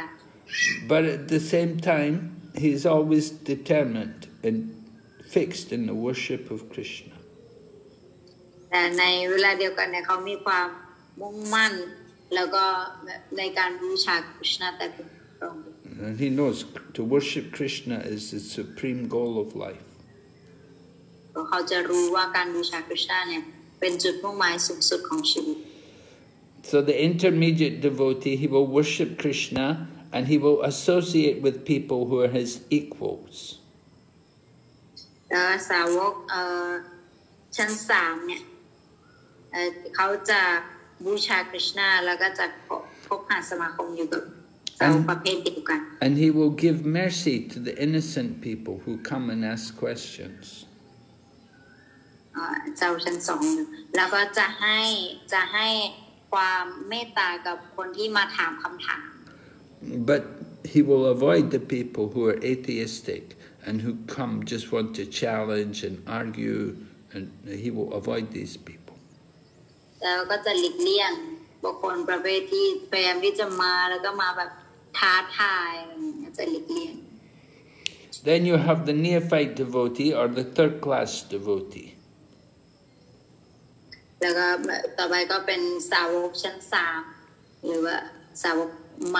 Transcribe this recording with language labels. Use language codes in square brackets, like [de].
[en] But at the same time, he's always determined and fixed in the worship of Krishna. [th] ในเวลาเดียวกันเนี่ยเขามีความมุ่งมั่นแล้วก็ในการบูชาคริสต์นะแต่ตรง [en] And he knows to worship Krishna is the supreme goal of life. [th] เขาจะรู้ว่าการบูชาคริสต์เนี่ยเป็นจุดมุ่งหมายสูงสุดของชีวิต [en] So the intermediate devotee he will worship Krishna and he will associate with people who are his equals. [th] สาวกชั้นสามเนี่ยเขาจะบูชาคริสต์นาแล้วก็จะพบหาสมาคมอยู่กับสาวกประเภทเดียวกัน [en] And he will give mercy to the innocent people who come and ask questions. [th] เจ้าชั้นสองแล้วก็จะให้ความเมตตากับคนที่มาถามคำถาม [en] But he will avoid the people who are atheistic and who come just want to challenge and argue, and he will avoid these people. [th] แล้วก็จะหลีกเลี่ยงบุคคลประเภทที่พยายามที่จะมาแล้วก็มาแบบท้าทายจะหลีกเลี่ยง [en] Then you have the neophyte devotee or the third class devotee [th] แล้วก็ต่อไปก็เป็นสาวกชั้นสามหรือว่าสาวกใหม